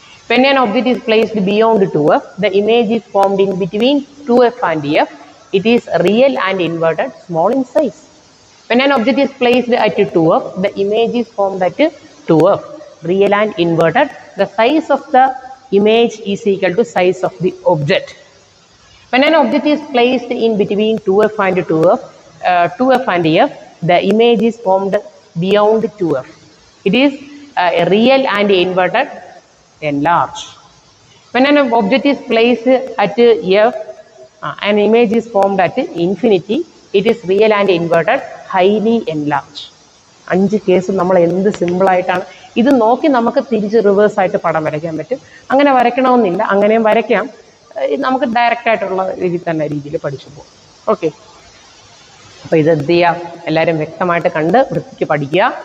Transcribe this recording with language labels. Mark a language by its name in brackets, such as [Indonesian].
[English] When an object is placed beyond two F, the image is formed in between two F and F, it is real and inverted, small in size. When an object is placed at two F, the image is formed at two F, real and inverted, the size of the image is equal to size of the object. When an object is placed in between 2f and 2f, 2f and f, the image is formed beyond 2f. It is real and inverted, enlarged. When an object is placed at f, an image is formed at infinity, it is real and inverted, highly enlarged. [Malayalam] അഞ്ച് case നമ്മൾ എന്ത് സിമ്പിളായിട്ടാണ്. ഇത് നോക്കി നമുക്ക് തിരിച്ച് റിവേഴ്സായിട്ട് പടം വരയ്ക്കാൻ പറ്റും. അങ്ങനെ വരയ്ക്കണമെന്നില്ല, അങ്ങനെയും വരയ്ക്കാം, നമുക്ക് ഡയറക്റ്റായിട്ടുള്ള രീതിയിൽ തന്നെ രീതിയിൽ പഠിച്ചു പോകും. ഓക്കെ, അപ്പം ഇത് എന്ത് ചെയ്യുക, എല്ലാവരും വ്യക്തമായിട്ട് കണ്ട് വൃത്തിക്ക് പഠിക്കുക.